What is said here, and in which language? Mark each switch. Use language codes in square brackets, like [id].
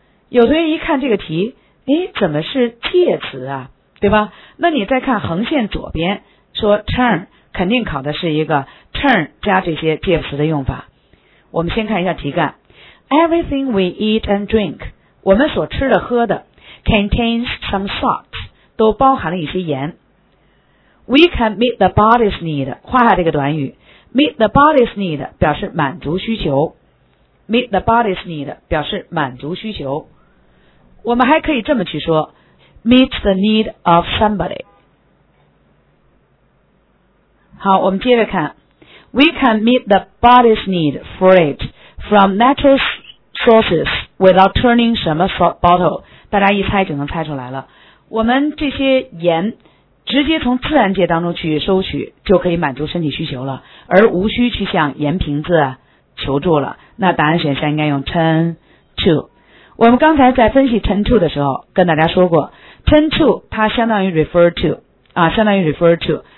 [zh] 有同学一看这个题，诶，怎么是介词啊，对吧？那你再看横线左边说 turn， 肯定考的是一个 turn 加这些介词的用法。我们先看一下题干。 Everything we eat and drink，我们所吃的喝的 contains some salt，都包含了一些盐。 [en] We can meet the body's need，画下这个短语。 Meet the body's need 表示满足需求。 [zh] Meet the body's need 表示满足需求。 我们还可以这么去说 ， meet the need of somebody。 [en] 好，我们接着看，We can meet the body's need for it from natural sources without turning 什么 salt bottle。 [zh] 大家一猜就能猜出来了。我们这些盐直接从自然界当中去收取，就可以满足身体需求了，而无需去向盐瓶子求助了。那答案选项应该用 turn to。我们刚才在分析 turn to 的时候跟大家说过， turn to 它相当于 refer to 啊，相当于 refer to。